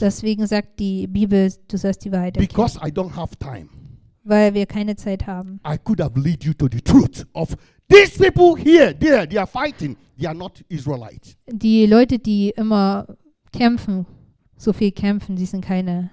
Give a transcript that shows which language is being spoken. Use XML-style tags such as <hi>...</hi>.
<de>Deswegen sagt die Bibel, du sollst die Wahrheit erkennen.</de> <en>Because I don't have time.</en> <de>Weil wir keine Zeit haben.</de> <en>I could have led you to the truth of these people here, there, they are fighting, they are not Israelites.</en> <de>Die Leute, die immer kämpfen, so viel kämpfen, sie sind keine</de>